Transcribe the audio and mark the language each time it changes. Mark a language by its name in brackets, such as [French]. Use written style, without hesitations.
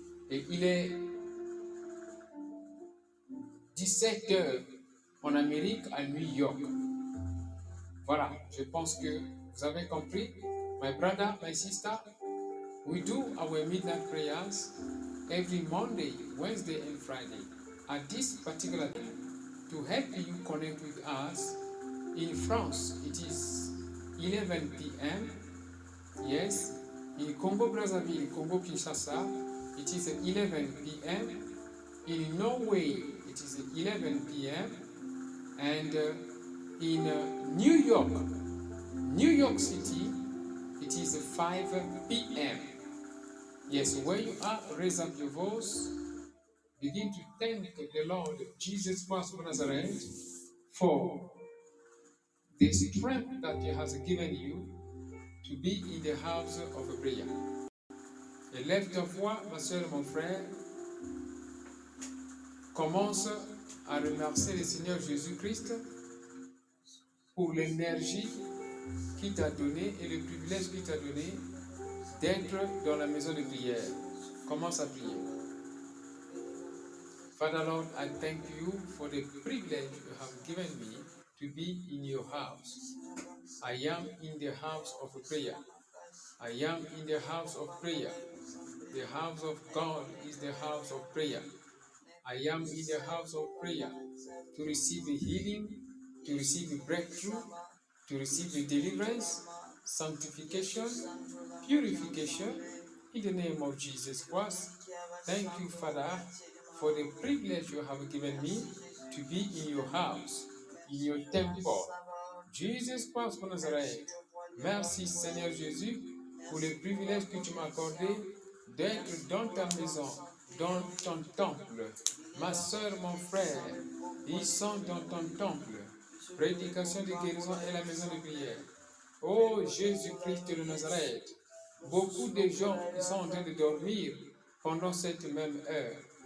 [French] Et il est 17h en Amérique, à New York. Voilà, je pense que vous avez compris. [English] My brother, my sister, we do our midnight prayers every Monday, Wednesday and Friday at this particular time to help you connect with us. In France, it is 11 p.m. Yes, in Congo-Brazzaville, Congo-Kinshasa, it is 11 p.m. In Norway, it is 11 p.m. And in New York City, it is 5 p.m. Yes, where you are, raise up your voice. Begin to thank the Lord Jesus Christ of Nazareth for the strength that He has given you to be in the house of a prayer. [French] Élève ta voix, ma soeur, mon frère. Commence à remercier le Seigneur Jésus-Christ pour l'énergie qu'il t'a donnée et le privilège qu'il t'a donné d'être dans la maison de prière. Commence à prier. [English] Father Lord, I thank you for the privilege you have given me to be in your house. I am in the house of prayer. I am in the house of prayer. The house of God is the house of prayer. I am in the house of prayer to receive healing, to receive breakthrough, to receive deliverance, sanctification, purification, in the name of Jesus Christ. Thank you, Father, for the privilege you have given me to be in your house, in your temple. [French] Jesus Christ of Nazareth, merci Seigneur Jésus pour le privilège que tu m'as accordé d'être dans ta maison, dans ton temple. Ma soeur, mon frère, ils sont dans ton temple. Prédication de guérison et la maison de prière. Oh Jésus-Christ de Nazareth, beaucoup de gens sont en train de dormir pendant cette même heure.